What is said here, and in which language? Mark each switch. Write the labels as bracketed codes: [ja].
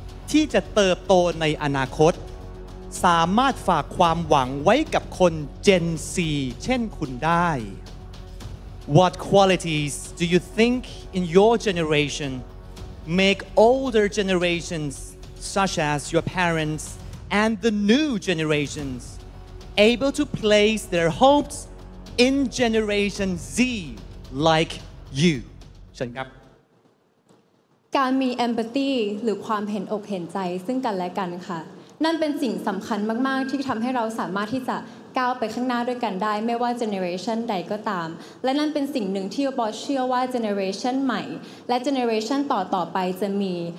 [th] ที่จะเติบโตในอนาคตสามารถฝากความหวังไว้กับคน Gen Z เช่นคุณได้ [en] What qualities do you think in your generation make older generations such as your parents and the new generations, able to place their hopes in Generation Z like you. [th] เชิญครับ การมี empathy หรือความเห็นอกเห็นใจซึ่งกันและกันค่ะนั่นเป็นสิ่งสำคัญมากๆที่ทำให้เราสามารถที่จะก้าวไปข้างหน้าด้วยกันได้ไม่ว่าเจเนอเรชันใดก็ตามและนั่นเป็นสิ่งหนึ่งที่โอปอเชื่อว่าเจเนอเรชันใหม่และเจเนอเรชันต่อๆไปจะมี